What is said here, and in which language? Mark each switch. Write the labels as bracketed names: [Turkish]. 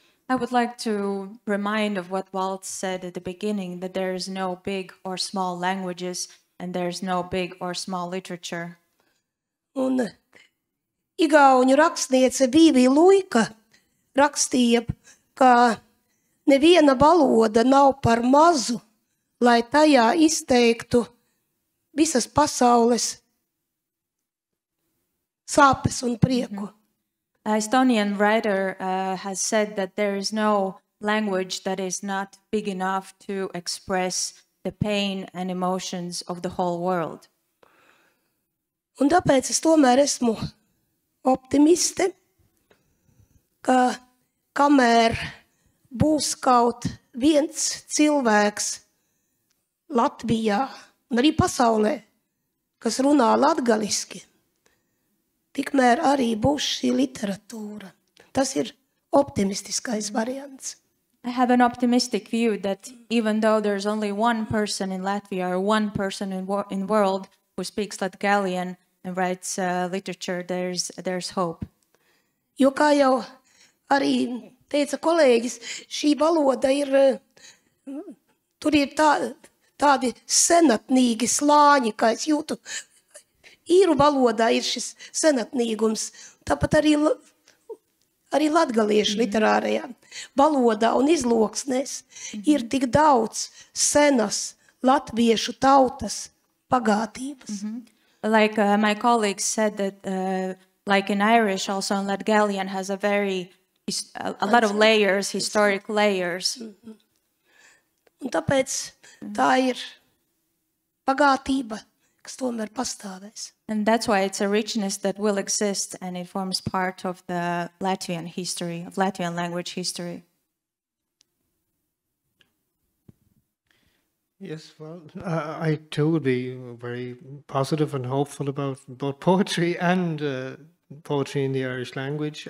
[English] I would like to remind of what Valts said at the beginning, that there is no big or small languages and there is no big or small literature. [Latvian] Un igauņu rakstniece Vīvi Luika rakstīja, ka neviena valoda nav par mazu, lai tajā izteiktu visas pasaules sāpes un prieku. [English] Estonian writer has said that there is no language that is not big enough to express the pain and emotions of the whole world. [Latvian] Un tāpēc es tomēr esmu optimiste, ka kamēr būs kaut viens cilvēks Latvijā un arī pasaulē, kas runā latgaliski, tikmēr arī būs šī literatūra. Tas ir optimistiskais variants. [English] I have an optimistic view that even though there's only one person in Latvia or one person in world who speaks Latgalian and writes literature, there's hope. [Latvian] Jo kā jau arī teica kolēģis, šī valoda ir, tur ir tādi senatnīgi slāņi, kā es jūtu, īru valodā ir šis senatnīgums, tāpat arī latgaliešu literārajā valodā un izloksnēs ir tik daudz senas latviešu tautas pagātības. [English] Mm-hmm. Like my colleagues said that like in Irish also in Latgalian has a very a lot of layers, historic layers. Mm-hmm. [Latvian] Un tāpēc tā ir pagātība, kas tomēr pastāvēs. [English] And that's why it's a richness that will exist and it forms part of the Latvian history, of Latvian language history. Yes, well, I too would be very positive and hopeful about both poetry and poetry in the Irish language.